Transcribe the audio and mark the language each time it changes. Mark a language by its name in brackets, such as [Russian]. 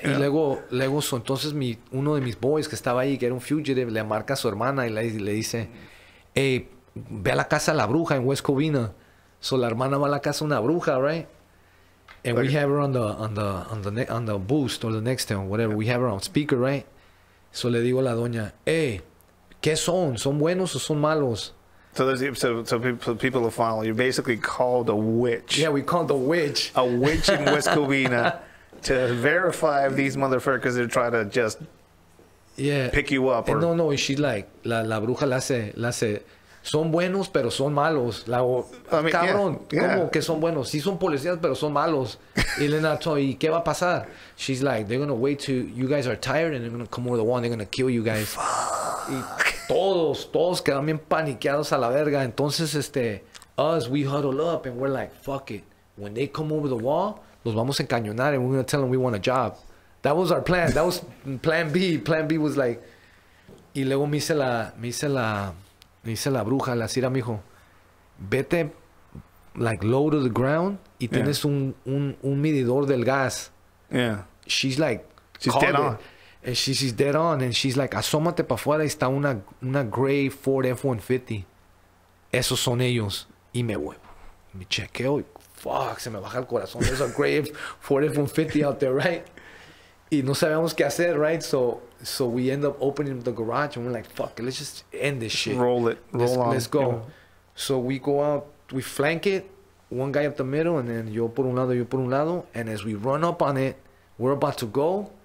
[Spanish] Y luego so, entonces mi uno de mis boys que estaba ahí, que era un fugitive, le marca a su hermana y le dice, hey, ve a la casa de la bruja en West Covina. So la hermana va a la casa de una bruja, right? [English] And like, we have her on the boost or the next one, whatever. Yeah. We have her on speaker, right? [Spanish] So le digo a la doña, hey, ¿qué son? ¿Son buenos o son malos? [English] So, people will follow. You basically called a witch. Yeah, we called the witch. A witch in West Covina to verify if these motherfuckers are trying to just yeah. pick you up. Or... [Spanish] No. [English] And she's like, [Spanish] la bruja la hace, son buenos, pero son malos. La, [English] I mean, [Spanish] cabrón, yeah, yeah. ¿Cómo que son buenos? Sí son policías, pero son malos. Y le nato, ¿y qué va a pasar? [English] She's like, they're going to wait till you guys are tired and they're going to come over the wall and they're going to kill you guys. Fuck. [Spanish] Todos quedan bien paniqueados a la verga. Entonces, este, [English] us, we huddle up and we're like, fuck it. When they come over the wall, [Spanish] los vamos a encañonar [English] and we're going to tell them we want a job. That was our plan. That was plan B. Plan B was like, [Spanish] y luego me hice la bruja, la cira, mijo. Vete, [English] like, low to the ground [Spanish] y tienes [English] yeah. [Spanish] un medidor del gas. [English] Yeah. She's like, she's dead on. And she's dead on, and she's like, [Spanish] asómate pa' fuera, y está una gray Ford F-150. Esos son ellos. Y me voy. Me chequeo, y fuck, se me baja el corazón. [English] There's a gray Ford F-150 out there, right? [Spanish] Y no sabemos qué hacer, [English] right? So we end up opening the garage, and we're like, fuck, let's just end this shit. Roll it. Roll let's, on. Let's go. Yeah. So we go out, we flank it, one guy up the middle, and then [Spanish] yo por un lado, [English] and as we run up on it, we're about to go.